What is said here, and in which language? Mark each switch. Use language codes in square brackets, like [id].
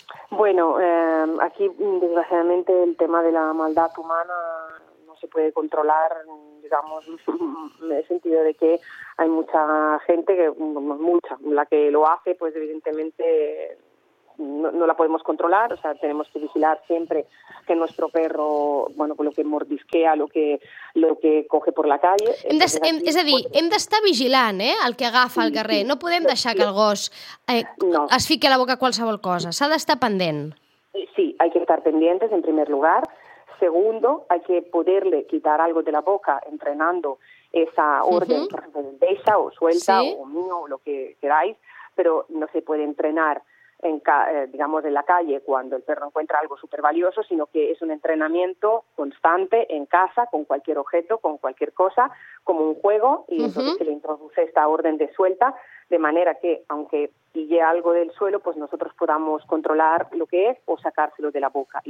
[es] Bueno, aquí, desgraciadamente, el tema de la maldat humana no se puede controlar, digamos, en el sentido de que hay mucha gente, la que lo hace, pues evidentemente no la podemos controlar, o sea, tenemos que vigilar siempre que nuestro perro, bueno, con lo que mordisquea, lo que coge por la calle... [ca] És a dir, hem d'estar vigilant, el que agafa al carrer, no podem deixar que el gos es fiqui a la boca qualsevol cosa, s'ha d'estar pendent. [es] Sí, hay que estar pendientes en primer lugar. Segundo, hay que poderle quitar algo de la boca entrenando esa orden, por ejemplo, besa o suelta o mío o lo que queráis, pero no se puede entrenar, digamos, en la calle cuando el perro encuentra algo súper valioso, sino que es un entrenamiento constante en casa con cualquier objeto, con cualquier cosa, como un juego, y entonces se le introduce esta orden de suelta, de manera que, aunque pille algo del suelo, pues nosotros podamos controlar lo que es o sacárselo de la boca.